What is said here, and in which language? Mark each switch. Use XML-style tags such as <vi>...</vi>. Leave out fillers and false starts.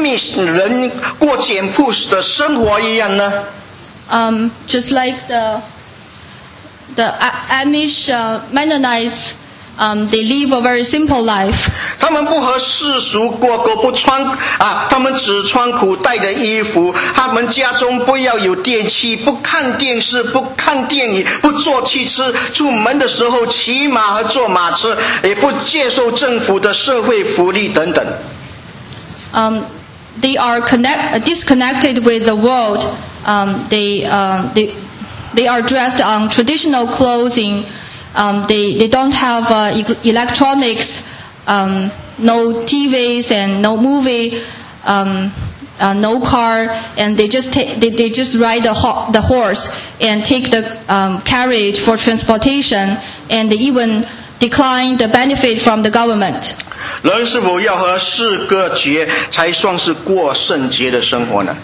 <zh>是不是好像说宾州的那些Amish人过简朴的生活一样呢?</zh> <en>Just like the Amish Mennonites, they live a very simple life.</en> <zh>他们不和世俗过，他们只穿古代的衣服， 他们家中不要有电器， 不看电视， 不看电影， 不坐汽车， 出门的时候骑马和坐马车， 也不接受政府的社会福利等等。</zh> <en>They are disconnected with the world. They are dressed on traditional clothing. They don't have electronics, no TVs and no movie, no car, and they just ride the horse and take the carriage for transportation, and they even decline the benefit from the government.</en> <zh>人是否要和世隔绝才算是过圣洁的生活呢?</zh>